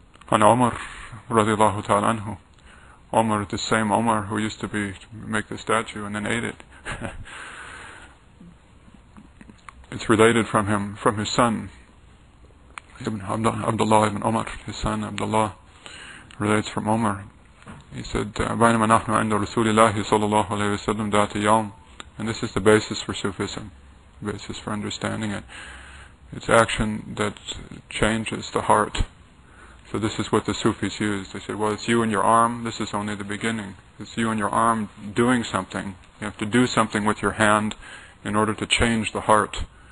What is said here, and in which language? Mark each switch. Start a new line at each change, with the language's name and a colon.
English: And Umar, radiallahu ta'ala anhu, Umar, the same Umar who used to be make the statue and then ate it. It's related from him, from his son, Ibn Abdullah ibn Umar, his son Abdullah, relates from Umar.
Arabic: He said, بَيْنَ مَنَحْنُ عَنْدَ رَسُولِ اللَّهِ صَلَى اللَّهُ عَلَيْهِ وَسَلَّمْ دَاتِ يَوْمٍ.
English: And this is the basis for Sufism, the basis for understanding it. It's action that changes the heart. So this is what the Sufis use. They say, well, it's you and your arm. This is only the beginning. It's you and your arm doing something. You have to do something with your hand in order to change the heart.